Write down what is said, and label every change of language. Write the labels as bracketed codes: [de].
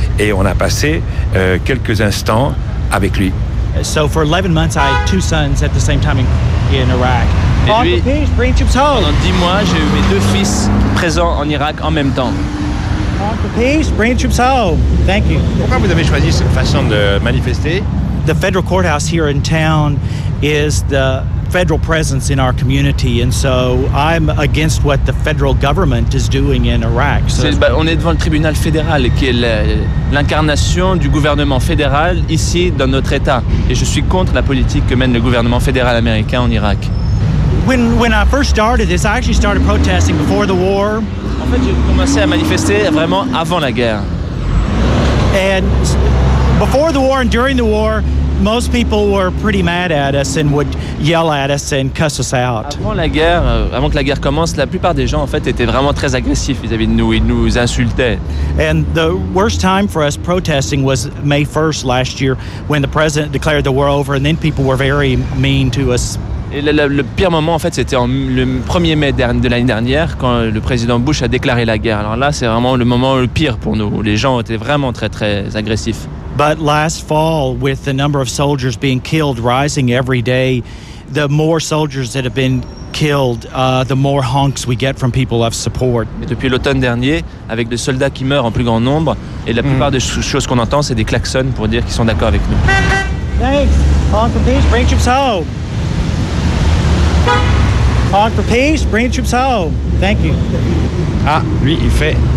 [fr] Et on a passé quelques instants avec lui. [en] So for 11 months, I had two sons at the same time in Iraq. [fr] Pendant 10 mois, j'ai eu mes deux fils présents en Irak en même temps. [en] Honk for peace, bring troops home. Thank you. [fr] Pourquoi vous avez choisi cette façon de manifester? [en] The federal courthouse here in town is the federal presence in our community, and so I'm against what the federal government is doing in Iraq. So [fr] on est devant le tribunal fédéral, qui est l'incarnation du gouvernement fédéral ici dans notre État, et je suis contre la politique que mène le gouvernement fédéral américain en Irak. [en] When I first started this, I actually started protesting before the war. [fr] En fait, j'ai commencé à manifester vraiment avant la guerre. [en] And before the war and during the war, most people were pretty mad at us and would yell at us and cuss us out. [fr] Avant que la guerre commence, la plupart des gens en fait étaient vraiment très agressifs vis-à-vis de nous. Ils nous insultaient. [en] And the worst time for us protesting was May 1st last year when the president declared the war over, and then people were very mean to us. [fr] Et le pire moment en fait, c'était le 1er mai de l'année dernière quand le président Bush a déclaré la guerre. Alors là, c'est vraiment le moment le pire pour nous. Les gens étaient vraiment très très agressifs. [en] But last fall, with the number of soldiers being killed rising every day, the more soldiers that have been killed, the more honks we get from people of support. [fr] Et depuis l'automne dernier, avec des soldats qui meurent en plus grand nombre, et la plupart des choses qu'on entend, c'est des klaxons pour dire qu'ils sont d'accord avec nous. [en] Thanks. Honk for peace, bring troops home. Honk for peace, bring troops home. Thank you. [fr] Ah, lui, il fait